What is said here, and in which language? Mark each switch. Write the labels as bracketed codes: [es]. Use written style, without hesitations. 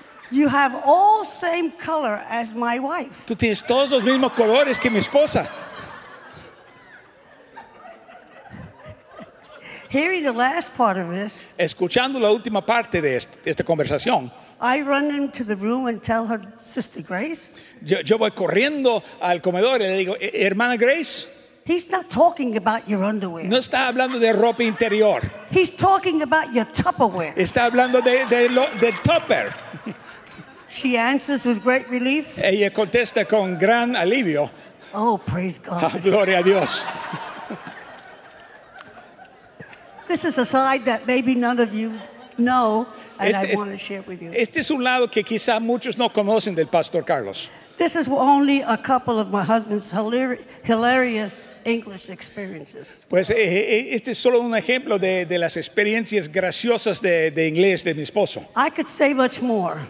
[en] You have all same color as my wife. [es] Tú tienes todos los mismos colores que mi esposa. [en] Hearing the last part of this. [es] Escuchando la última parte de esta conversación. [en] I run into the room and tell her, Sister Grace. [es] Yo voy corriendo al comedor y le digo, hermana Grace. [en] He's not talking about your underwear. [es] No está hablando de ropa interior. [en] He's talking about your Tupperware. [es] Está hablando de Tupper. [en] She answers with great relief. [es] Ella contesta con gran alivio. [en] Oh, praise God. [es] Gloria a Dios. [en] This is a side that maybe none of you know, and I want to share with you. [es] Este es un lado que quizá muchos no conocen del Pastor Carlos. [en] This is only a couple of my husband's hilarious English experiences. [es] Pues este es solo un ejemplo de las experiencias graciosas de inglés de mi esposo. [en] I could say much more.